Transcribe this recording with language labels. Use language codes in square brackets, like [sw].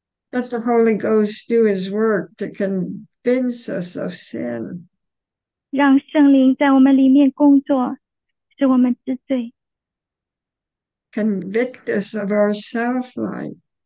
[en] Let the Holy Ghost do His work to convince us of sin. [zh] 让圣灵在我们里面工作, [en] Convict us of our self-life.